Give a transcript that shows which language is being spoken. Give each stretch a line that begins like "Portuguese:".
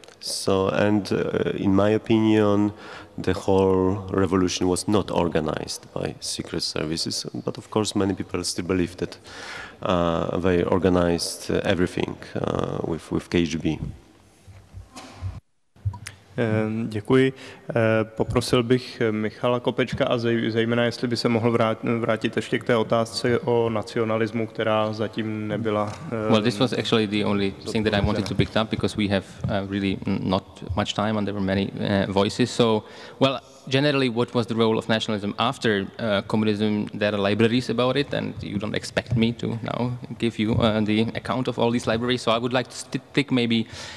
English: So, and in my opinion, the whole revolution was not organized by secret services, but of course many people still believe that they organized everything with KGB.
Czech: Děkuji. Poprosil bych Michala Kopečka a zejména, jestli by se mohl vrátit ještě k té otázce o nacionalismu, která zatím nebyla.
English: Well, this was actually the only thing that I wanted to pick up because we have really not much time and there were many voices. So, well, generally, what was the role of nationalism after communism? There are libraries about it, and you don't expect me to now give you the account of all these libraries. So, I would like to stick maybe